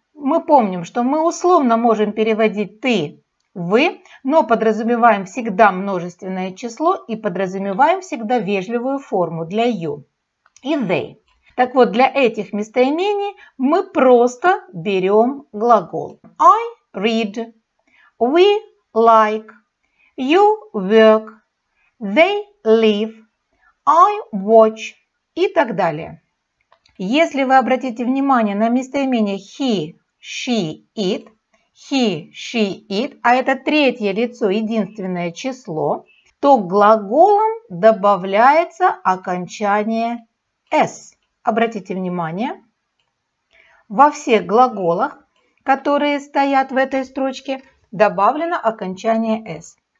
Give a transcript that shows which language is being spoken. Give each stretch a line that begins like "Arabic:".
Russian: Мы помним, что мы условно можем переводить «ты», «вы», но подразумеваем всегда множественное число и подразумеваем всегда вежливую форму для «you» и «they». Так вот, для этих местоимений мы просто берем глагол.
English: I read, we like, you work, they live, I watch
Russian: и так далее. Если вы обратите внимание на местоимение «he», she it, he, she it, а это третье лицо, единственное число, то к глаголам добавляется окончание s. Обратите внимание, во всех глаголах, которые стоят в этой строчке, добавлено окончание s.